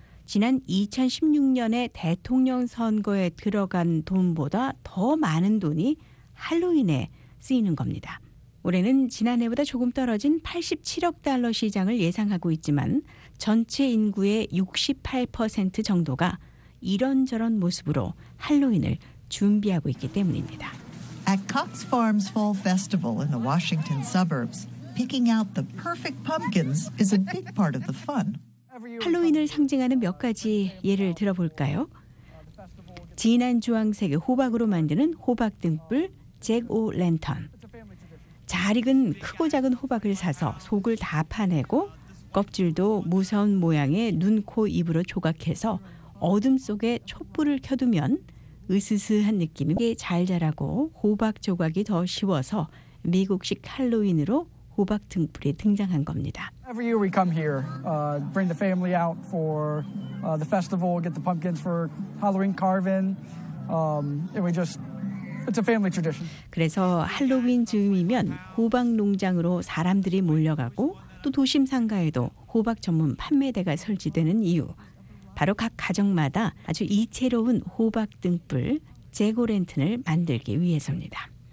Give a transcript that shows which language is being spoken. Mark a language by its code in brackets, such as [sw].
[ko] 지난 2016년에 대통령 선거에 들어간 돈보다 더 많은 돈이 할로윈에 쓰이는 겁니다. 올해는 지난해보다 조금 떨어진 87억 달러 시장을 예상하고 있지만 전체 인구의 68% 정도가 이런저런 모습으로 할로윈을 준비하고 있기 때문입니다. [en] At Cox Farms Fall Festival in the Washington suburbs, picking out the perfect pumpkins is a big part of the fun. [ko] 할로윈을 상징하는 몇 가지 예를 들어볼까요? 진한 주황색의 호박으로 만드는 호박 등불 잭 오 랜턴. 잘 익은 크고 작은 호박을 사서 속을 다 파내고 껍질도 무서운 모양의 눈, 코, 입으로 조각해서 어둠 속에 촛불을 켜두면 으스스한 느낌이 잘 자라고 호박 조각이 더 쉬워서 미국식 할로윈으로 호박 등불이 등장한 겁니다. [en] Every year we come here, bring the family out for the festival, get the pumpkins for Halloween carving, and we just it's a family tradition. [ko] 그래서 할로윈 즈음이면 호박 농장으로 사람들이 몰려가고 또 도심 상가에도 호박 전문 판매대가 설치되는 이유. 바로 각 가정마다 아주 이채로운 호박 등불, 제고랜턴을 만들기 위해서입니다.